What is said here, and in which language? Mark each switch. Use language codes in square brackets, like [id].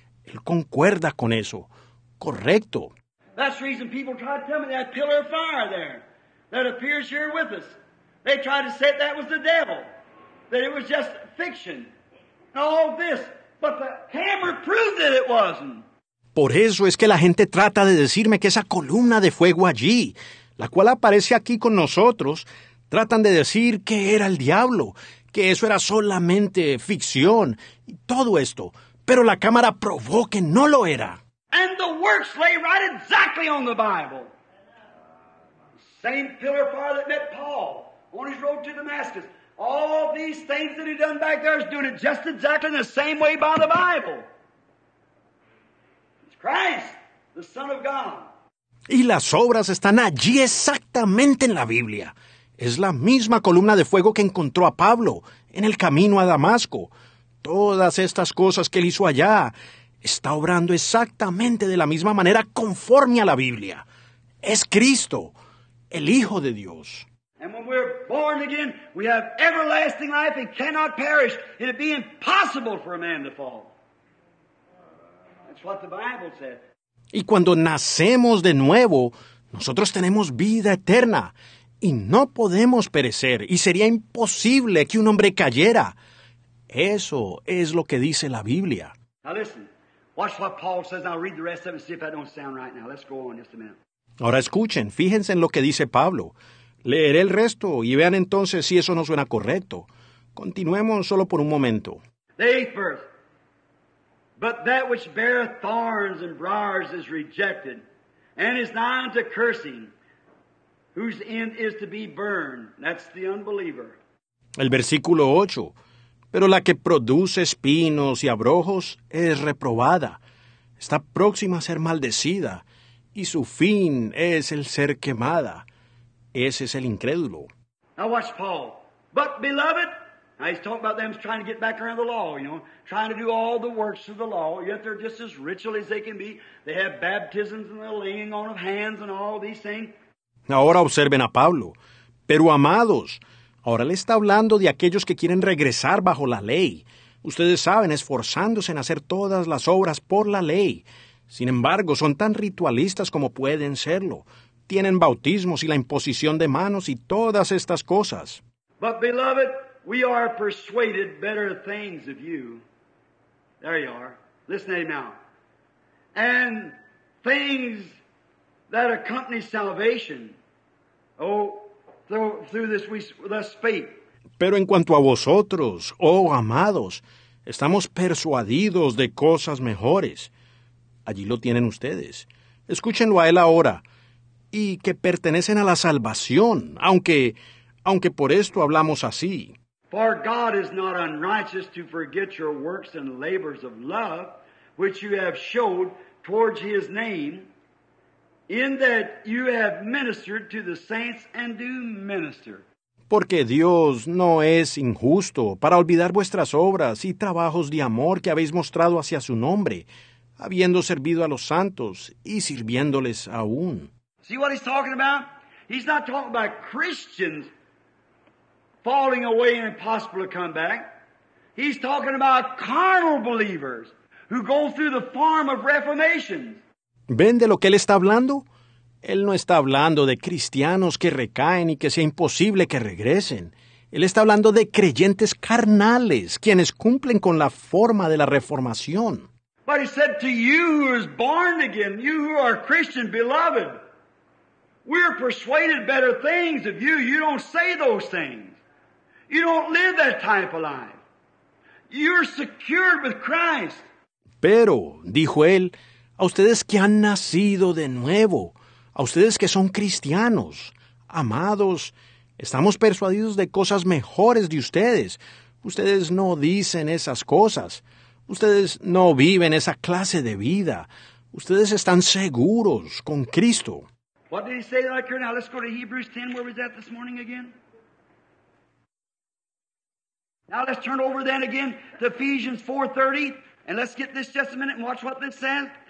[es] Él concuerda con eso. Correcto. [en] That's the reason people try to tell me that pillar of fire there that appears here with us. They try to say that was the devil. That it was just fiction. All this. But the hammer proved that it wasn't. [es] Por eso es que la gente trata de decirme que esa columna de fuego allí, la cual aparece aquí con nosotros, tratan de decir que era el diablo, que eso era solamente ficción y todo esto. Pero la cámara probó que no lo era. [en] And the works lay right exactly on the Bible. Same pillar of fire that met Paul on his road to Damascus. All these things that he done back there is doing it just exactly in the same way by the Bible. It's Christ, the Son of God. [es] Y las obras están allí exactamente en la Biblia. Es la misma columna de fuego que encontró a Pablo en el camino a Damasco. Todas estas cosas que él hizo allá, está obrando exactamente de la misma manera conforme a la Biblia. Es Cristo, el Hijo de Dios. [en] And when we're born again, we have everlasting life and cannot perish. It'd be impossible for a man to fall. That's what the Bible said. [es] Y cuando nacemos de nuevo, nosotros tenemos vida eterna y no podemos perecer, y sería imposible que un hombre cayera. Eso es lo que dice la Biblia. [en] Now listen, watch what Paul says. I'll read the rest of it and see if that don't sound right now. Let's go on just a minute. [es] Ahora escuchen, fíjense en lo que dice Pablo. Leeré el resto y vean entonces si eso no suena correcto. Continuemos solo por un momento. [en] The eighth verse. But that which beareth thorns and briars is rejected, and is nigh unto cursing, whose end is to be burned. That's the unbeliever. [es] El versículo 8. Pero la que produce espinos y abrojos es reprobada, está próxima a ser maldecida, y su fin es el ser quemada. Ese es el incrédulo. [en] Now watch Paul. But beloved, now he's talking about them trying to get back around the law, you know, trying to do all the works of the law, yet they're just as ritual as they can be. They have baptisms and the laying on of hands and all these things. [es] Ahora observen a Pablo. Pero amados, ahora le está hablando de aquellos que quieren regresar bajo la ley. Ustedes saben, esforzándose en hacer todas las obras por la ley. Sin embargo, son tan ritualistas como pueden serlo. Tienen bautismos y la imposición de manos y todas estas cosas. [en] But beloved, we are persuaded better things of you. There you are. Listen to him now. And things that accompany salvation. Oh, through this we thus speak. [es] Pero en cuanto a vosotros, oh amados, estamos persuadidos de cosas mejores. Allí lo tienen ustedes. Escúchenlo a él ahora. Y que pertenecen a la salvación, aunque por esto hablamos así. [en] For God is not unrighteous to forget your works and labors of love, which you have showed towards his name, in that you have ministered to the saints and do minister. [es] Porque Dios no es injusto para olvidar vuestras obras y trabajos de amor que habéis mostrado hacia su nombre, habiendo servido a los santos y sirviéndoles aún. [en] See what he's talking about? He's not talking about Christians falling away and impossible to come back. He's talking about carnal believers who go through the form of reformation. [es] ¿Ven de lo que él está hablando? Él no está hablando de cristianos que recaen y que sea imposible que regresen. Él está hablando de creyentes carnales, quienes cumplen con la forma de la reformación. [en] But he said to you who is born again, you who are Christian, beloved, we're persuaded better things of you. You don't say those things. You don't live that type of life. You're secured with Christ. [es] Pero, dijo él, a ustedes que han nacido de nuevo, a ustedes que son cristianos, amados, estamos persuadidos de cosas mejores de ustedes. Ustedes no dicen esas cosas. Ustedes no viven esa clase de vida. Ustedes están seguros con Cristo. [en] What did he say right here? Now let's go to Hebrews 10. Where was that this morning again? Now let's turn over then again to Ephesians 4:30. And let's get this just a minute and watch what this says.